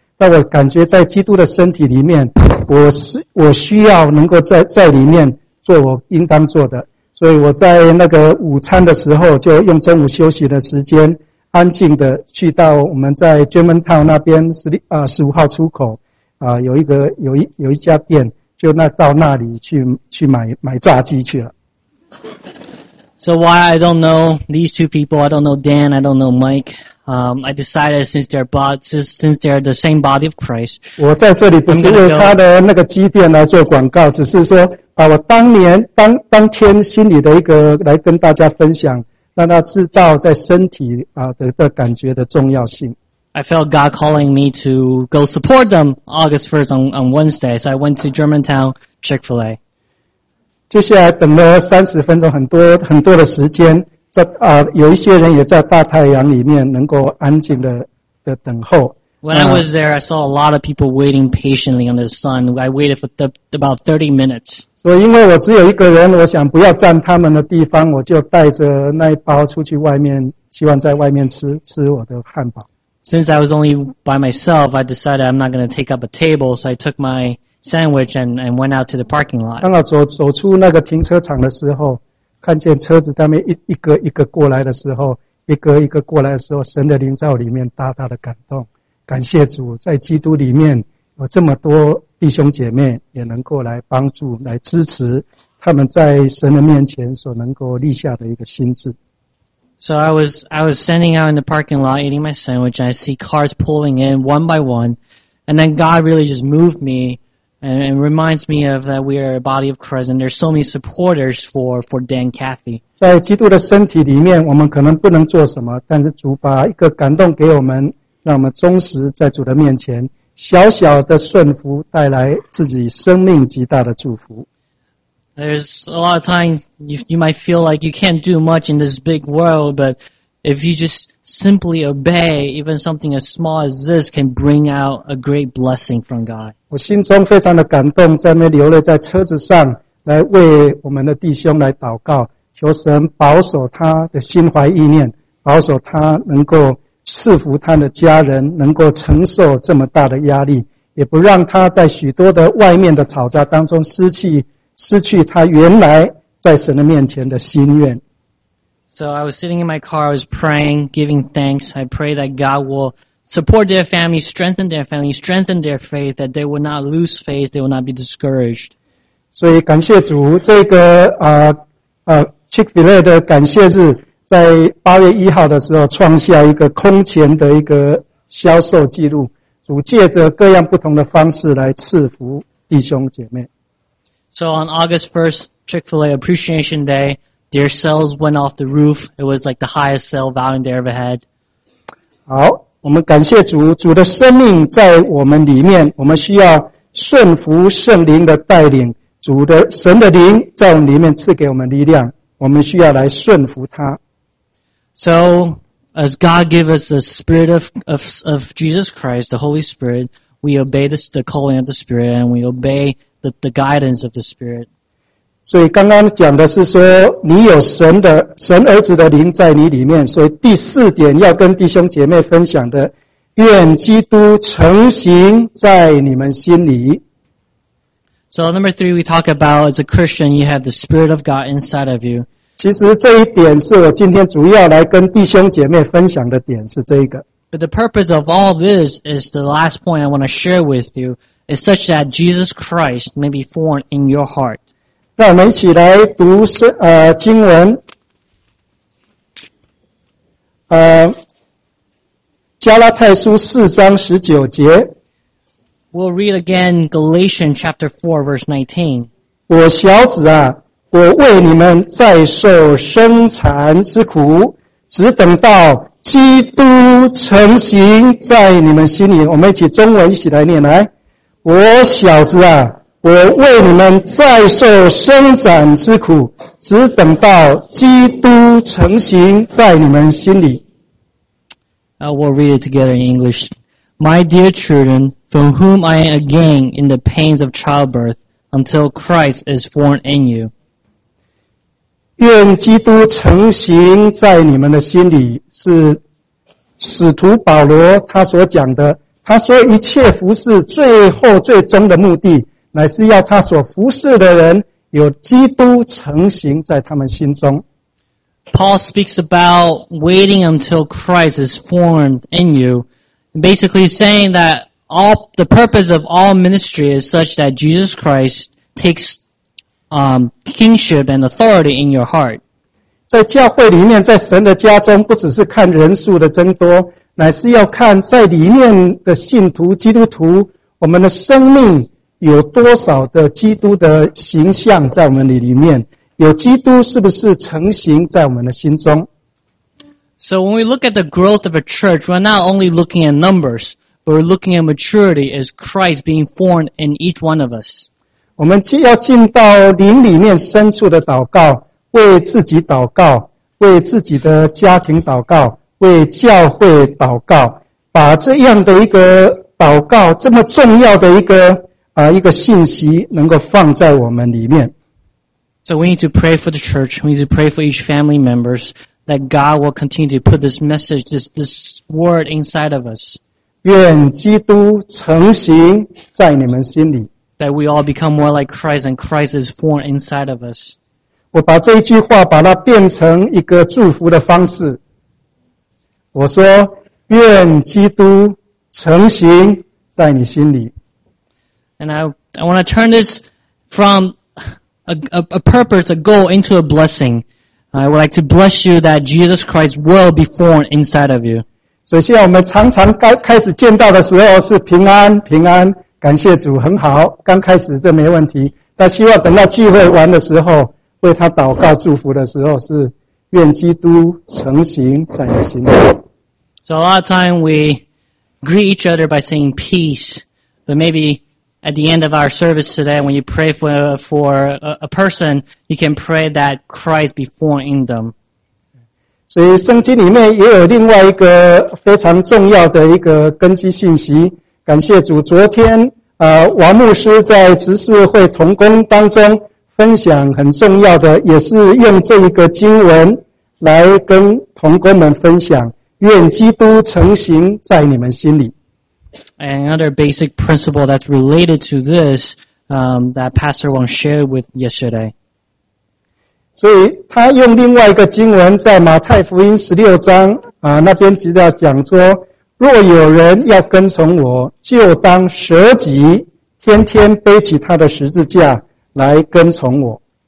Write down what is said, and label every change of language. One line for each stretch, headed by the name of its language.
Chinese: 但我感觉在基督的身体里面，我需要能够在里面做我应当做的，所以我在那个午餐的时候，就用中午休息的时间，安静的去到我们在 Germantown 那边15号出口有一家店，就那到那里去买炸鸡去了。
English: So why I don't know these two people, I don't know Dan, I don't know Mike. I decided since they're the same body of Christ.
Chinese: 我在这里不是为他的那个基甸来做广告，只是说把我当天心里的一个来跟大家分享，让他知道在身体的感觉的重要性。
English: I felt God calling me to go support them August 1st on Wednesday, so I went to Germantown Chick-fil-A.
Chinese: 接下来等了30分钟，很多的时间。有一些人也在大太阳里面能够安静 的等候。
English: When I was there, I saw a lot of people waiting patiently on the sun. I waited for about 30 minutes.
Chinese: 所以因为我只有一个人，我想不要占他们的地方，我就带着那一包出去外面，希望在外面吃我的汉堡。
English: Since I was only by myself, I decided I'm not going to take up a table, so I took my sandwich and went out to the parking lot.
Chinese: 刚好走出那个停车场的时候，看见车子在那边一个过来的时候，一个一个过来的时候，神的灵在我里面大大的感动，感谢主，在基督里面有这么多弟兄姐妹也能够来帮助、来支持他们在神的面前所能够立下的一个心志。
English: So I was standing out in the parking lot eating my sandwich, and I see cars pulling in one by one, And then God really just moved me and reminds me of that we are a body of Christ and there's so many supporters for Dan and Kathy.
Chinese: 在基督的身体里面我们可能不能做什么但是主把一个感动给我们让我们忠实在主的面前小小的顺服带来自己生命极大的祝福。
English: There's a lot of time you might feel like you can't do much in this big world, but if you just simply obey, even something as small as this can bring out a great blessing from God.
Chinese: 我心中非常的感动，在那流泪，在车子上来为我们的弟兄来祷告，求神保守他的心怀意念，保守他能够赐福他的家人，能够承受这么大的压力，也不让他在许多的外面的吵杂当中失去他原来在神的面前的心愿。
English: So I was sitting in my car, I was praying, giving thanks. I pray that God will support their family, strengthen their family, strengthen their faith, that they will not lose faith, they will not be discouraged.
Chinese: 所以感谢主，这个Chick-fil-A 的感谢日，在8月1号的时候创下一个空前的一个销售记录。主借着各样不同的方式来赐福弟兄姐妹。
English: So on August 1st, Chick-fil-A Appreciation Day, their sales went off the roof. It was like the highest sale volume they ever had.
Chinese: 好，我们感谢主，主的生命在我们里面，我们需要顺服圣灵的带领，主的神的灵在我们里面赐给我们力量，我们需要来顺服他。
English: So, as God gave us the Spirit of Jesus Christ, the Holy Spirit, we obey the calling of the Spirit, and we obey the guidance of the Spirit.
Chinese: 所以刚刚讲的是说你有神儿子的灵在你里面所以第四点要跟弟兄姐妹分享的愿基督成形在你们心里。
English: So number three we talk about as a Christian you have the Spirit of God inside of you.
Chinese: 其实这一点是我今天主要来跟弟兄姐妹分享的点是这个。
English: But the purpose of all this is the last point I want to share with you. Is such that Jesus Christ may be born in your heart.
Chinese: 让我们一起来读经文。加拉太书四章十九节。
English: We'll read again Galatians chapter 4 verse 19.
Chinese: 我小子啊，我为你们再受生产之苦，只等到基督成形在你们心里。我们一起中文一起来念来。我小子啊，我为你们再受生产之苦，只等到基督成形在你们心里。
English: We'll read it together in English. My dear children, from whom I am again in the pains of childbirth, until Christ is formed in you.
Chinese: 愿基督成形在你们的心里，是使徒保罗他所讲的他说一切服事最后最终的目的乃是要他所服事的人有基督成形在他们心中。
English: Paul speaks about waiting until Christ is formed in you, basically saying that the purpose of all ministry is such that Jesus Christ takes kingship and authority in your heart.
Chinese: 在教会里面在神的家中不只是看人数的增多乃是要看在里面的信徒基督徒我们的生命有多少的基督的形象在我们里面有基督是不是成形在我们的心中。
English: So when we look at the growth of a church, we're not only looking at numbers, but we're looking at maturity as Christ being formed in each one of us.
Chinese: 我们既要进到灵里面深处的祷告为自己祷告为自己的家庭祷告为教会祷告，把这样的一个祷告，这么重要的一个信息，能够放在我们里面。
English: So we need to pray for the church. We need to pray for each family members that God will continue to put this message, this word inside of us.
Chinese: 愿基督成形在你们心里。
English: That we all become more like Christ, and Christ is formed inside of us.
Chinese: 我把这一句话把它变成一个祝福的方式。我说愿基督成形在你心里。
English: And I want to turn this from a purpose, a goal into a blessing. I would like to bless you that Jesus Christ will be formed inside of you.
Chinese: 首先我们常常开始见到的时候是平安平安，感谢主，很好，刚开始这没问题，但希望等到聚会完的时候，为他祷告祝福的时候，是愿基督成形展形。
English: So a lot of time we greet each other by saying peace, but maybe at the end of our service today, when you pray for a person, you can pray that Christ be formed in them.
Chinese: 所以圣经里面也有另外一个非常重要的一个根基信息。感谢主，昨天王牧师在执事会同工当中分享很重要的，也是用这一个经文来跟同工们分享。愿基督成形在你们心里。
English: Another basic principle that's related to this, that Pastor Wang shared with yesterday.
Chinese: 所以他用另外一个经文在马太福音16章那边直接讲说，若有人要跟从我，就当舍己，天天背起他的十字架来跟从我。